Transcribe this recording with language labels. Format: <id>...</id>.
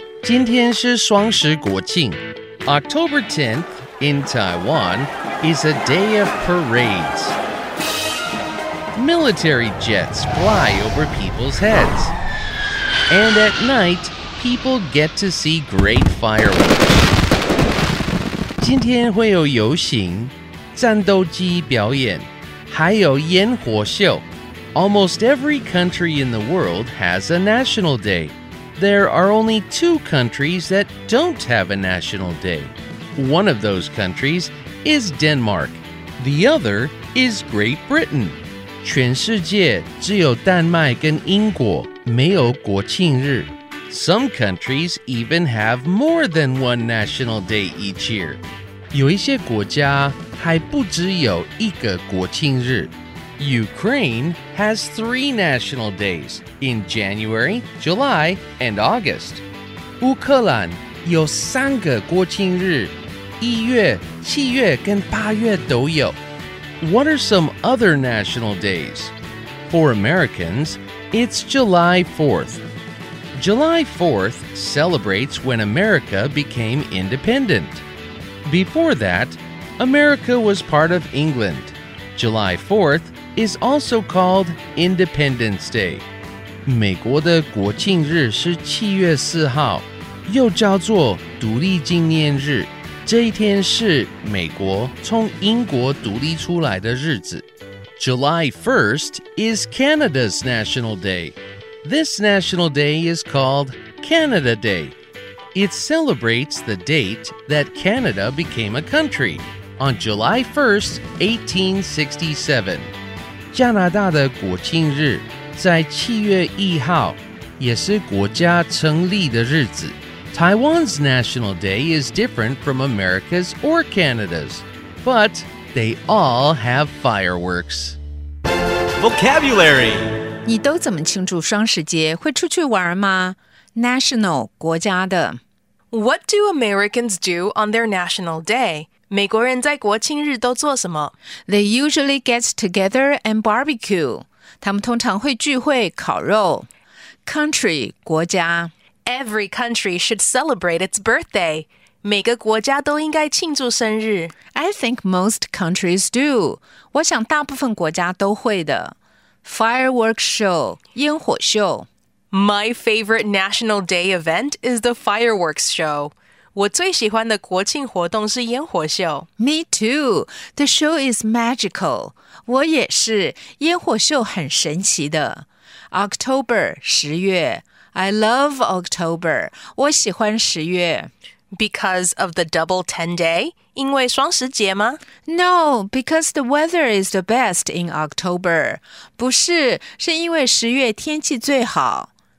<zh>今天是雙十國慶。</zh> <en>October 10th in Taiwan is a day of parades. Military jets fly over people's heads. And at night, people get to see great fireworks.</en> <zh>今天會有遊行、戰鬥機表演、還有煙火秀。</zh> <en>Almost every country in the world has a national day. There are only two countries that don't have a national day. One of those countries is Denmark. The other is Great Britain.</en> <zh>全世界只有丹麦跟英国没有国庆日。</zh> <en>Some countries even have more than one national day each year.</en> <zh>有一些国家还不只有一个国庆日。</zh> <en>Ukraine has three national days in January, July, and August.</en> <zh>乌克兰有三个国庆日，一月、七月跟八月都有。</zh> <en>What are some other national days? For Americans, it's July 4th. July 4th celebrates when America became independent. Before that, America was part of England. July 4th is also called Independence Day.</en> <zh>美国的国庆日是七月四号，又叫做独立纪念日。这一天是美国从英国独立出来的日子。</zh> <en>July 1st is Canada's National Day. This National Day is called Canada Day. It celebrates the date that Canada became a country on July 1st, 1867.</en> <zh>加拿大的国庆日在七月一号，也是国家成立的日子。</zh> <en>Taiwan's National Day is different from America's or Canada's, but they all have fireworks. Vocabulary.</en> <zh>你都怎么庆祝双十节？会出去玩吗 ？National 国家的。</zh> <en>What do Americans do on their National Day?</en> <zh>美国人在国庆日都做什么</zh> <en>？They usually get together and barbecue.</en> <zh>他们通常会聚会烤肉。</zh> <en>Country 国家。 Every country should celebrate its birthday.</en> <zh>每个国家都应该庆祝生日。</zh> <en>I think most countries do.</en> <zh>我想大部分国家都会的。</zh> <en>Fireworks show 烟火秀。 My favorite national day event is the fireworks show.</en> <zh>我最喜欢的国庆活动是烟火秀。</zh> <en>Me too. The show is magical.</en> <zh>我也是。烟火秀很神奇的。October, 十月。</zh> <en>I love October.</en> <zh>我喜欢十月。</zh> <en>Because of the double 10 day?</en> <zh>因为双十节吗</zh> <en>？No, because the weather is the best in October.</en> <zh>不是，是因为十月天气最好。</zh>